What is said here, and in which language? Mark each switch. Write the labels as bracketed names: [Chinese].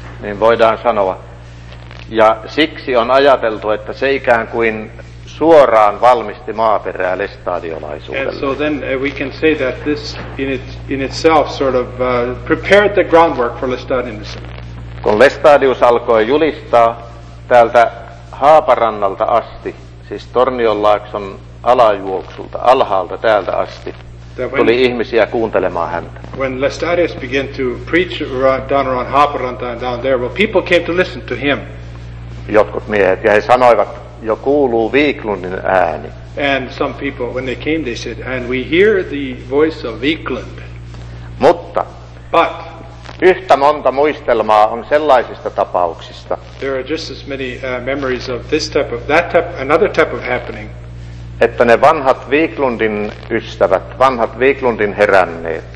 [Finnish] Niin voidaan sanoa. Ja siksi on ajateltu, että se ikään kuin suoraan valmisti maaperää lestadiolaisuudelle. [English] And so then we can say that this in itself sort of prepared the groundwork for Lestadianism. [Finnish] Kun Lestadius alkoi julistaa täältä Haaparannalta asti, siis Tornionlaakson alajuoksulta, alhaalta täältä asti, tuli ihmisiä kuuntelemaan häntä. [English] When Lestadius began to preach down around Haaparanta and down there, well, people came to listen to him. [Finnish] Jotkut miehet, ja he sanoivat, jo kuuluu Wiklundin ääni. [English] And some people, when they came, they said, and we hear the voice of Wiklund. [Finnish] Mutta, [English] but, [Finnish] yhtä monta muistelmaa on sellaisista tapauksista. [English] There are just as many memories of this type of, that type, another type of happening. [Finnish] Että ne vanhat Wiklundin ystävät, vanhat Wiklundin heränneet.